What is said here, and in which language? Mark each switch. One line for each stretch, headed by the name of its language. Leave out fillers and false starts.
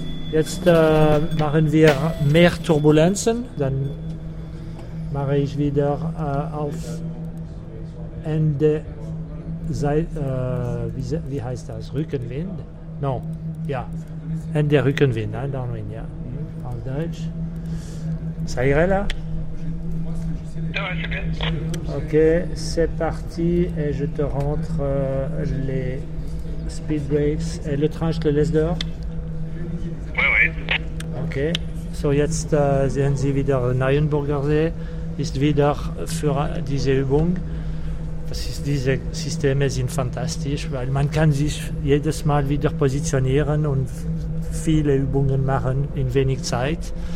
German: Jetzt machen wir mehr Turbulenzen, dann mache ich wieder auf Ende, wie heißt das, Rückenwind? Nein, ja, Ende Rückenwind, ein Downwind, ja, auf Deutsch.
French: Ça irait là? Ok, c'est parti et je te rentre les speed brakes et le train, je te laisse dehors.
German: Okay, so jetzt sehen Sie wieder Neuenburger See, ist wieder für diese Übung. Das ist, diese Systeme sind fantastisch, weil man kann sich jedes Mal wieder positionieren und viele Übungen machen in wenig Zeit.